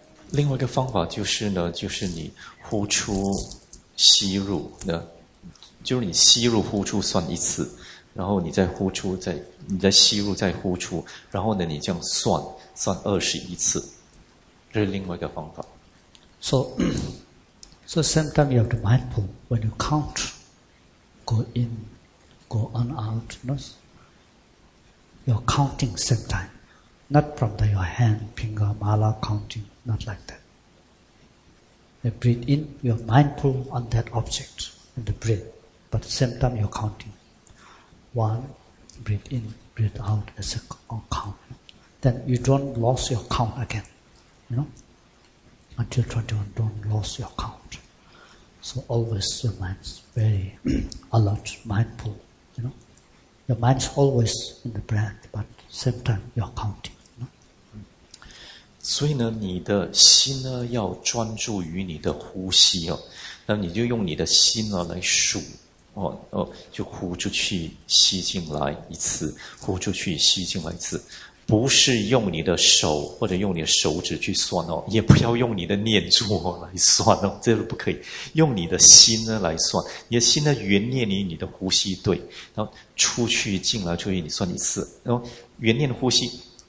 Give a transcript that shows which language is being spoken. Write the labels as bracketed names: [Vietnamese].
[Chinese] 另外一个方法就是呢，就是你呼出。吸入呢，就是你吸入呼出算一次，然后你再呼出再你再吸入再呼出，然后呢你这样算二十一次，这是另外一个方法。 [English] So same time you have to mindful when you count, go in, go on out, not you're counting same time, not from the your hand finger mala counting, not like that. You breathe in, you're mindful on that object in the breath, but at the same time you're counting. One, breathe in, breathe out as a count. Then you don't lose your count again, you know? Until 21, don't lose your count. So always your mind's very alert, mindful, you know? Your mind's always in the breath, but at the same time you're counting. [Chinese] 所以呢，你的心呢要专注于你的呼吸哦，那你就用你的心呢来数哦，就呼出去吸进来一次，呼出去吸进来一次，不是用你的手或者用你的手指去算哦，也不要用你的念珠哦来算哦，这都不可以，用你的心呢来算，你的心呢原念于你的呼吸对，然后出去进来出去你算一次，然后原念的呼吸。